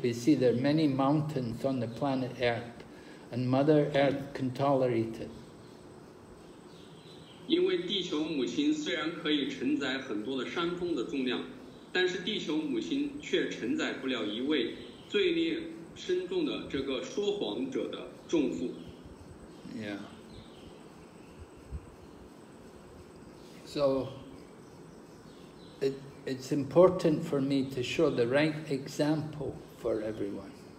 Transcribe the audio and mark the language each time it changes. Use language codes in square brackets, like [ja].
[en] We see there are many mountains on the planet Earth, and Mother Earth can tolerate it. [zh] 因为地球母亲虽然可以承载很多的山峰的重量。但是地球母亲却承载不了一位罪孽深重的这个说谎者的重负。Yeah. [en] So, it's important for me to show the right example for everyone.